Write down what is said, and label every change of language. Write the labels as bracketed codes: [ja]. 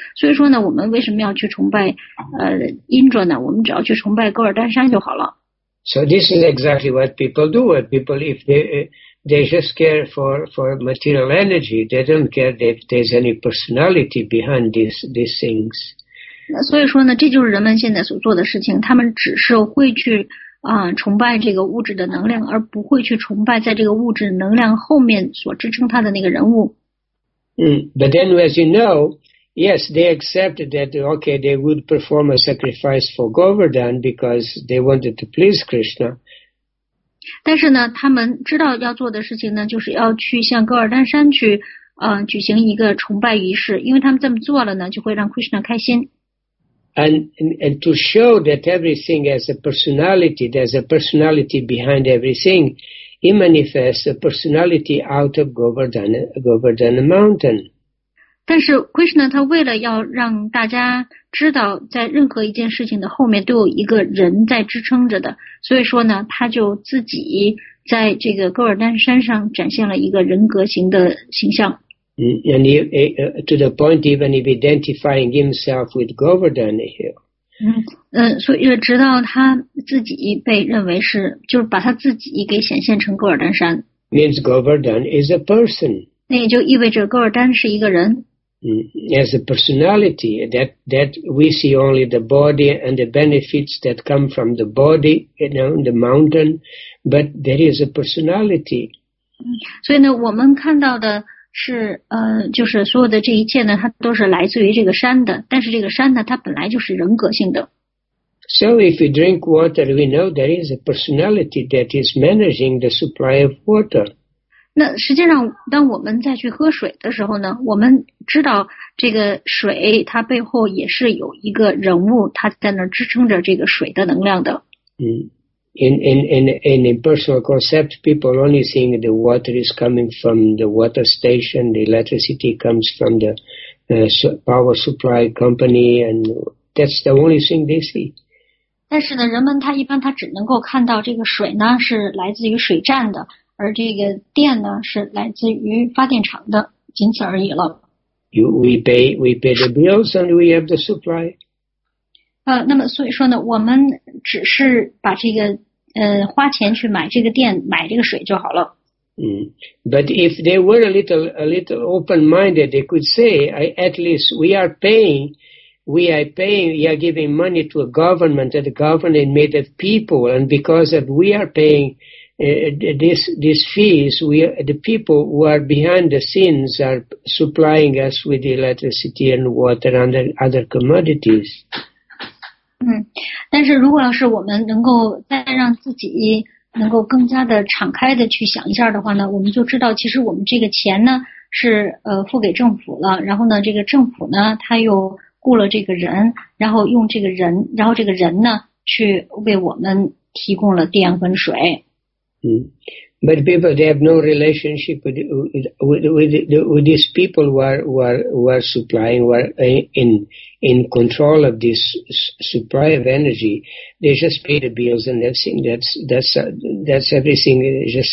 [zh] 所以说呢，我们为什么要去崇拜Indra 呢？我们只要去崇拜 Govardhan 山就好了。 [en] So this is exactly what people do. People, if they just care for material energy, they don't care that there's any personality behind these things. [zh] 那所以说呢，这就是人们现在所做的事情。他们只是会去崇拜这个物质的能量，而不会去崇拜在这个物质能量后面所支撑他的那个人物。 [en] But then, as you know. Yes, they accepted that, okay, they would perform a sacrifice for Govardhan because they wanted to please Krishna. [zh] 但是呢，他们知道要做的事情呢，就是要去向戈尔丹山去举行一个崇拜仪式，因为他们这么做了呢，就会让 Krishna 开心。 [en] And to show that everything has a personality, there's a personality behind everything, he manifests a personality out of Govardhan Mountain. [zh] 但是 Krishna 他为了要让大家知道在任何一件事情的后面都有一个人在支撑着的，所以说呢，他就自己在这个戈尔丹山上展现了一个人格型的形象。 [en] And to the point even of identifying himself with Govardhan Hill. [zh] 所以直到他自己被认为是，就是把他自己给显现成戈尔丹山。 [en] Means Govardhan is a person. [zh] 那也就意味着戈尔丹是一个人。 [en] as a personality, that we see only the body and the benefits that come from the body, you know, the mountain, but there is a personality. [zh] 所以呢，我们看到的是，就是所有的这一切呢，它都是来自于这个山的，但是这个山呢，它本来就是人格性的。 [en] So if we drink water, we know there is a personality that is managing the supply of water. [zh] 那实际上，当我们再去喝水的时候呢，我们知道这个水它背后也是有一个人物，它在那支撑着这个水的能量的。 [en] In a personal concept, people only think the water is coming from the water station, the electricity comes from the power supply company, and that's the only thing they see. [zh] 但是呢，人们他一般他只能够看到这个水呢是来自于水站的，而这个电呢是来自于发电厂的，仅此而已了。 [en] We pay the bills and we have the supply. [zh] 那么所以说呢，我们只是把这个花钱去买这个电，买这个水就好了。 [en] But if they were a little open-minded, they could say, at least we are paying. We are giving money to a government, and the government is made of people, and because of we are paying these fees, the people who are behind the scenes are supplying us with electricity and water and other commodities. [zh] 但是如果要是我们能够再让自己能够更加的敞开的去想一下的话呢，我们就知道其实我们这个钱呢是付给政府了，然后呢这个政府呢他又雇了这个人，然后用这个人，然后这个人呢，去为我们提供了电和水。 [en] But people, they have no relationship with these people who are supplying, who are in control of this supply of energy. They just pay the bills, and that's everything.